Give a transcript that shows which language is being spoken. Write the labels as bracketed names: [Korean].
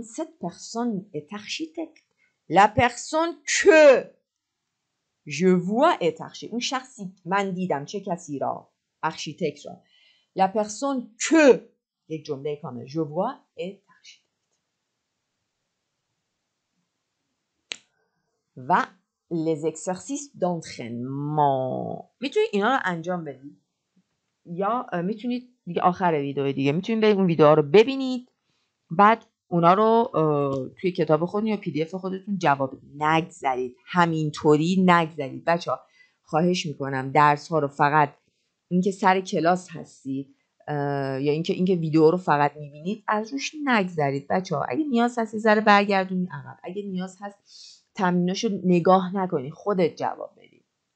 [French] Cette personne est architecte. La personne que je vois est architecte. [Persian] اون شخصی من دیدم چه کسی را؟ architecte را. [French] La personne que [Persian] یک جمله کامل. [French] Je vois est architecte. و les exercices d'entraînement. [Persian] میتونید اینا را انجام بدید. یا میتونید دیگه آخر ویدیو دیگه میتونید اون ویدیو رو ببینید بعد اونا رو توی کتاب خودتون یا پی دی اف خودتون جواب نگذارید همینطوری نگذارید بچه ها خواهش میکنم درس ها رو فقط اینکه سر کلاس هستید یا اینکه ویدیو رو فقط میبینید از روش نگذارید بچه ها اگه نیاز هست ذره برگردونی عقب اگه نیاز هست تمریناشو نگاه نکنی خودت جواب بدی